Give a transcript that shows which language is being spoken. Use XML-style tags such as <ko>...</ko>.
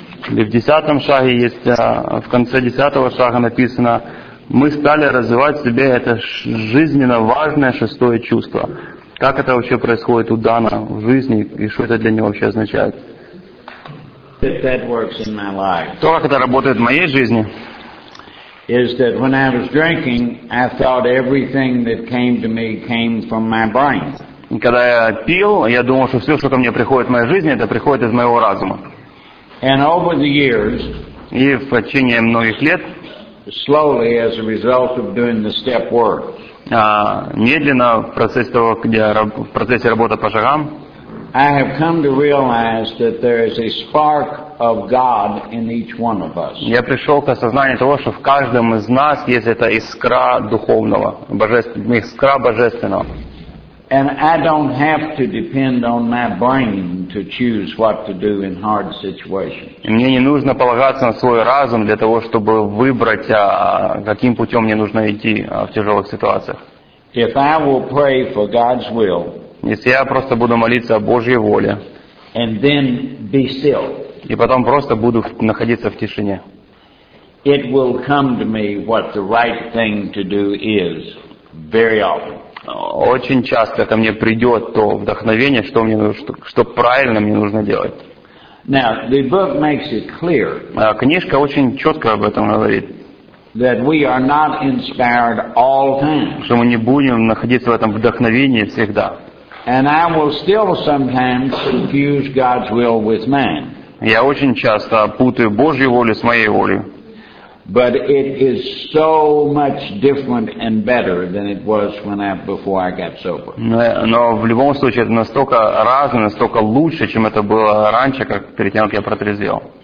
<ru>И в 10-м шаге есть, в конце 10-го шага написано, мы стали развивать в себе это жизненно важное шестое чувство. Как это вообще происходит у Дана в жизни и что это для него вообще означает?</ru> <en>That works in my life.</en> <ru>То, как это работает в моей жизни,</ru> <en>is that when I was drinking, I thought everything that came to me came from my brain.</en> <ru>Когда я пил, я думал, что все, что ко мне приходит в моей жизни, это приходит из моего разума.</ru> <en>And over the years,</en> <ru>и в течение многих лет,</ru> <en>slowly as a result of doing the step work,</en> <ru>медленно в процессе того, где в процессе работы по шагам,</ru> <en>I have come to realize that there is a spark of God in each one of us.</en> <ru>Я пришел к осознанию того, что в каждом из нас есть эта искра духовного, искра божественного.</ru> <en>And I don't have to depend on my brain to choose what to do in hard situations.</en> <ru>И мне не нужно полагаться на свой разум для того, чтобы выбрать, каким путем мне нужно идти в тяжелых ситуациях.</ru> <en>If I will pray for God's will,</en> <ru>если я просто буду молиться о Божьей воле,</ru> <en>and then be still,</en> <ru>и потом просто буду находиться в тишине,</ru> <en>it will come to me what the right thing to do is very often.</en> <ru>Очень часто ко мне придет то вдохновение, что мне нужно, что правильно мне нужно делать.</ru> <en>Now, the book makes it clear,</en> <ru>книжка очень четко об этом говорит,</ru> <en>that we are not inspired all time.</en> <ru>Что мы не будем находиться в этом вдохновении всегда.</ru> <en>And I will still sometimes confuse God's will with man.</en> <ru>Я очень часто путаю Божью волю с моей волей.</ru> <en>But it is so much different and better than it was when I before I got sober.</en> <ru>Но в любом случае это настолько разное, настолько лучше, чем это было раньше, как перед тем, как я протрезвел.</ru>